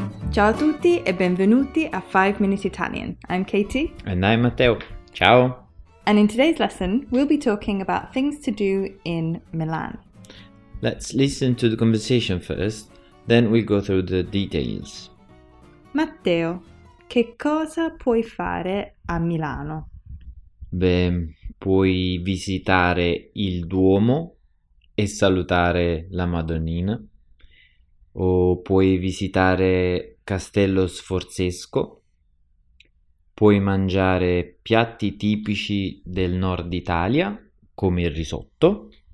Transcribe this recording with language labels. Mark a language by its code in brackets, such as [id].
[it] Ciao a tutti e benvenuti a 5 Minutes Italian. [en] I'm Katie. And I'm Matteo. Ciao. And in today's lesson, we'll be talking about things to do in Milan. Let's listen to the conversation first, then we'll go through the details. [it] Matteo, che cosa puoi fare a Milano? Beh, puoi visitare il Duomo e salutare la Madonnina, o puoi visitare Castello Sforzesco, puoi mangiare piatti tipici del nord Italia, come il risotto.